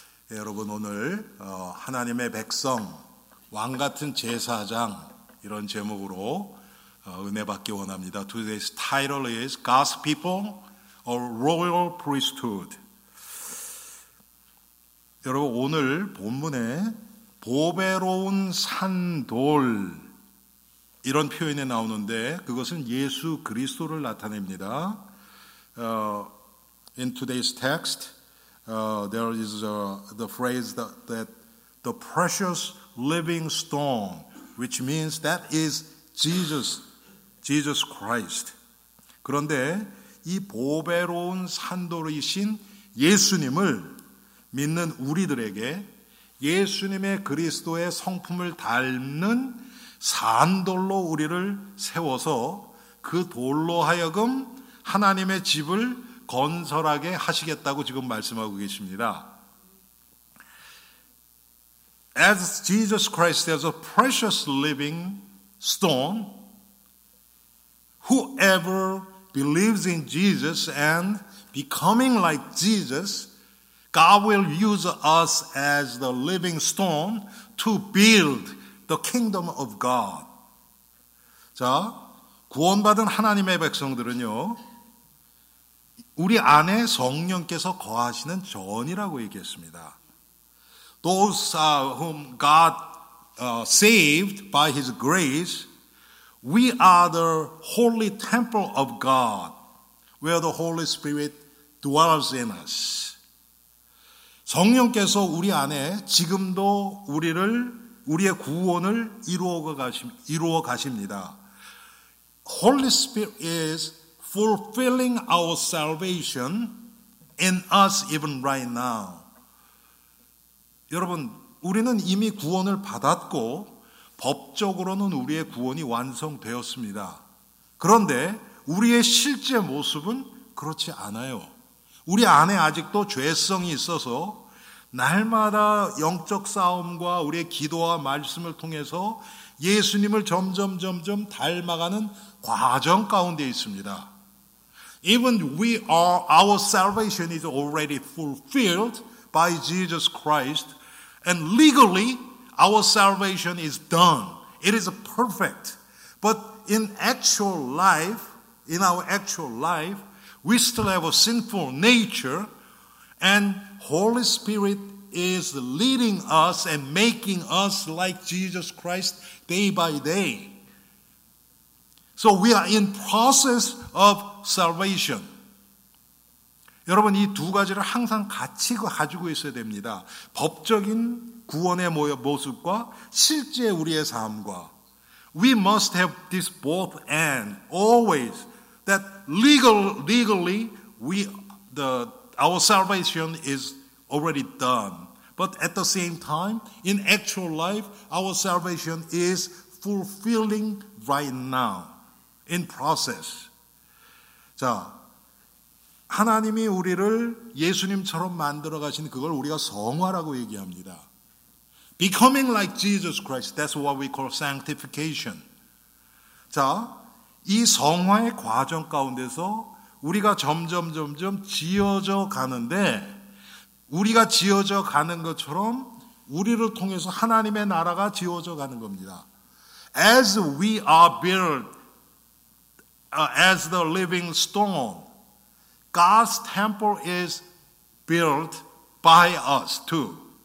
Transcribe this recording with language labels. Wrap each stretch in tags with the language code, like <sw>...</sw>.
<ko>여러분, 오늘 하나님의 백성, 왕같은 제사장, 이런 제목으로 은혜 받기 원합니다.</ko> <en>Today's title is God's People or Royal Priesthood.</en> <ko>여러분, 오늘 본문에 보배로운 산돌, 이런 표현이 나오는데 그것은 예수 그리스도를 나타냅니다.</ko> <en>In today's text, there is the phrase that the precious living stone, which means that is Jesus Christ.</en> <ko>그런데 이 보배로운 산돌이신 예수님을 믿는 우리들에게 예수님의 그리스도의 성품을 닮는 산돌로 우리를 세워서 그 돌로 하여금 하나님의 집을 건설하게 하시겠다고 지금 말씀하고 계십니다.</ko> <en>As Jesus Christ is a precious living stone, whoever believes in Jesus and becoming like Jesus, God will use us as the living stone to build the kingdom of God.</en> <ko>자, 구원받은 하나님의 백성들은요, 우리 안에 성령께서 거하시는 전이라고 얘기했습니다.</ko> <en>Those whom God saved by His grace, we are the holy temple of God, where the Holy Spirit dwells in us.</en> <ko>성령께서 우리 안에 지금도 우리의 구원을 이루어 가십니다.</ko> <en>Holy Spirit is fulfilling our salvation in us even right now.</en> <ko>여러분, 우리는 이미 구원을 받았고 법적으로는 우리의 구원이 완성되었습니다. 그런데 우리의 실제 모습은 그렇지 않아요. 우리 안에 아직도 죄성이 있어서 날마다 영적 싸움과 우리의 기도와 말씀을 통해서 예수님을 점점 닮아가는 과정 가운데 있습니다.</ko> <en>Even we are, our salvation is already fulfilled by Jesus Christ, and legally our salvation is done. It is perfect. But in our actual life, we still have a sinful nature, and Holy Spirit is leading us and making us like Jesus Christ day by day. So we are in process of salvation.</en> <ko>여러분, 이 두 가지를 항상 같이 가지고 있어야 됩니다. 법적인 구원의 모습과 실제 우리의 삶과.</ko> <en>We must have this both and always, that legally our salvation is already done. But at the same time, in actual life, our salvation is fulfilling right now. In process.</en> <ko>자, 하나님이 우리를 예수님처럼 만들어 가신 그걸 우리가 성화라고 얘기합니다.</ko> <en>Becoming like Jesus Christ, that's what we call sanctification.</en> <ko>자, 이 성화의 과정 가운데서 우리가 점점 지어져 가는데, 우리가 지어져 가는 것처럼 우리를 통해서 하나님의 나라가 지어져 가는 겁니다.</ko> <en>As we are built as the living stone, God's temple is built by us too.</en>